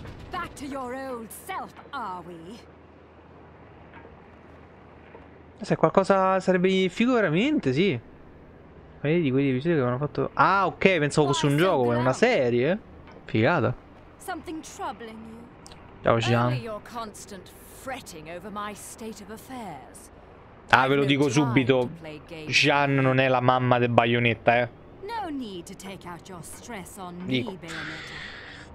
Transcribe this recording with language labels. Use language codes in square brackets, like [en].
[en] Back to your old self, are we? [it] Se qualcosa sarebbe figo veramente, sì. Vedi quegli episodi che avevano fatto. Ah, ok, pensavo fosse un gioco, è una serie. Figata. [en] Something troubling you. [it] Ciao Jean. [en] Your constant fretting over my state of affairs. [it] Ah, ve lo dico subito. Jean non è la mamma di Bayonetta, eh. [en] No need to take out your stress on me, Bayonetta.